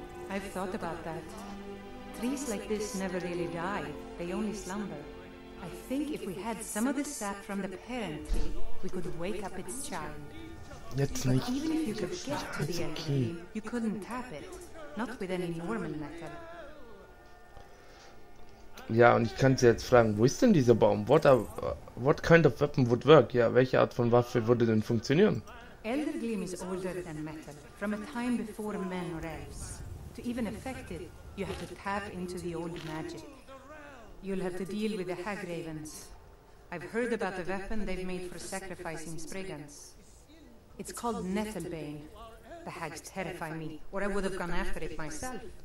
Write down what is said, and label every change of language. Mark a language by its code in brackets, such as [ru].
[en] I've thought about that. Trees like this never really die. They only slumber. I think if we had some of the sap from the parent tree, we could wake up its child. [de] Jetzt nicht. [en] But even if you could get to the end tree, you couldn't tap it. Not with any normal method. [de] Ja, und ich kann sie jetzt fragen, wo ist denn dieser Baum? [en] What kind of weapon would work? [de] Ja, welche Art von Waffe würde denn funktionieren? [en] Eldergleam is older than metal, from a time before men or elves. To even affect it, you have to tap into the old magic. You'll have to deal with the Hagravens. I've heard about the weapon they've made for sacrificing Spriggans. It's called Nettlebane. The hags terrify me, or I would have gone after it myself.